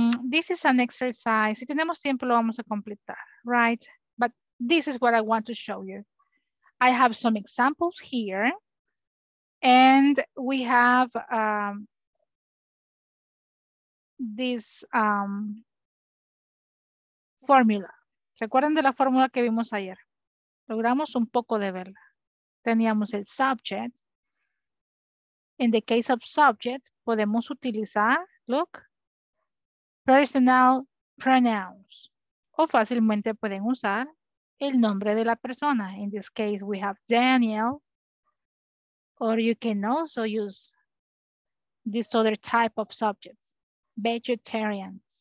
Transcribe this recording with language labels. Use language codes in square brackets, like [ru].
[en] This is an exercise. [es] Si tenemos tiempo, lo vamos a completar, [en] right? But this is what I want to show you. I have some examples here, and we have this formula. [es] ¿Se acuerdan de la fórmula que vimos ayer? Logramos un poco de verla. Teníamos el subject. [en] In the case of subject, [es] podemos utilizar, [en] look, personal pronouns. [es] O fácilmente pueden usar el nombre de la persona. [en] In this case, we have Daniel. Or you can also use this other type of subjects, vegetarians.